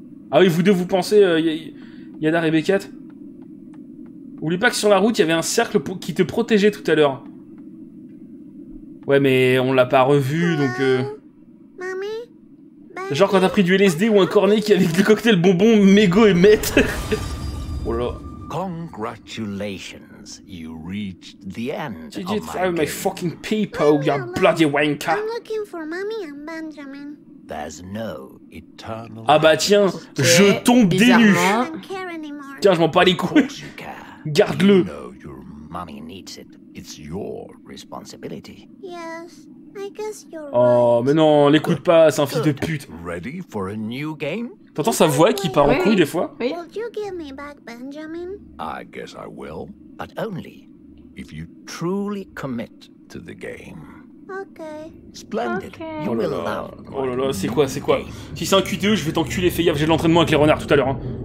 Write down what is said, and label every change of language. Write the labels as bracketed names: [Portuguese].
[French] Ah oui, vous deux, vous pensez, Yada Rebecca. Oublie pas que sur la route, il y avait un cercle qui te protégeait tout à l'heure. Ouais, mais on l'a pas revu, donc... Genre quand t'as pris du LSD ou un cornet qui avait des cocktails bonbons, mégots et mètres. Oh là. [English] Congratulations, you reached the end of my game. Did you throw my fucking people, you bloody wanker? I'm looking for mommy and Benjamin. There's no eternal... [French] Ah bah tiens, okay, je tombe dénu. Tiens, je m'en bats les couilles. Garde-le. [English] You know your mommy needs it. It's your responsibility. Yes. I guess you're right. [French] Oh, mais non, l'écoute pas, c'est un fils de pute. [English] Ready for a new game? [French] T'entends sa voix qui part en couille des fois? Oui. [English] Will you give me back Benjamin? I guess I will, but only if you truly commit to the game. Okay. Splendid. Okay. You will love. [French] Oh là là, c'est quoi, c'est quoi? Si c'est un QTE, je vais t'enculer, fais gaffe, j'ai de l'entraînement avec les renards tout à l'heure.